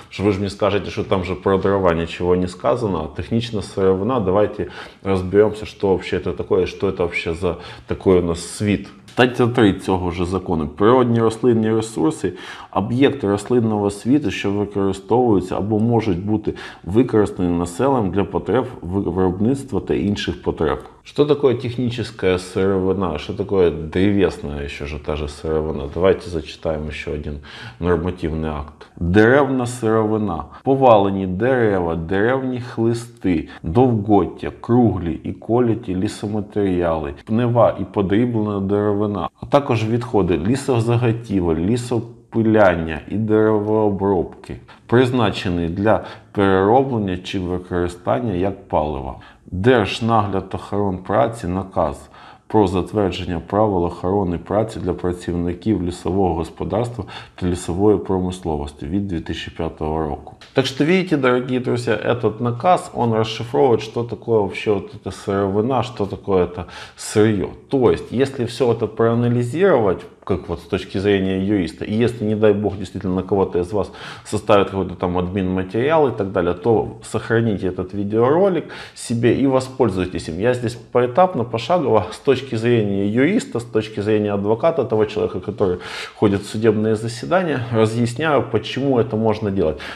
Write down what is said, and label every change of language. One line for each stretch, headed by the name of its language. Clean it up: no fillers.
Ukrainian: Ви ж мені скажете, що там же про дрова нічого не сказано. Технічна сировина, давайте розберемося, що взагалі це таке, що це взагалі за такий у нас світ. Стаття 3 цього ж закону. Природні рослинні ресурси – об'єкти рослинного світу, що використовуються або можуть бути використані населенням для потреб виробництва та інших потреб.
Russian: Что такое техническая сировина? Что такое древесная еще же та же сировина? Давайте зачитаем еще один нормативный акт.
Ukrainian: Деревна сировина. Повалені дерева, деревні хлисти, довгоття, круглі і коліті лісоматеріали, пнева і подріблена деревина, а також відходи лісозаготівель, лісопиляння і деревообробки, призначені для перероблення чи використання як паливо. Держнагляд та охорон праці наказ про затвердження правил охорони праці для працівників лісового господарства та лісової промисловості від 2005 року. Так що, бачите, дорогі друзі, цей наказ, він розшифровує, що таке взагалі ця сировина, що таке це сирьо. Тобто, якщо все це проаналізувати,
Russian: как вот с точки зрения юриста. И если, не дай бог, действительно кого-то из вас составит какой-то там админ материал и так далее, то сохраните этот видеоролик себе и воспользуйтесь им. Я здесь поэтапно, пошагово, с точки зрения юриста, с точки зрения адвоката, того человека, который ходит в судебные заседания, разъясняю, почему это можно делать.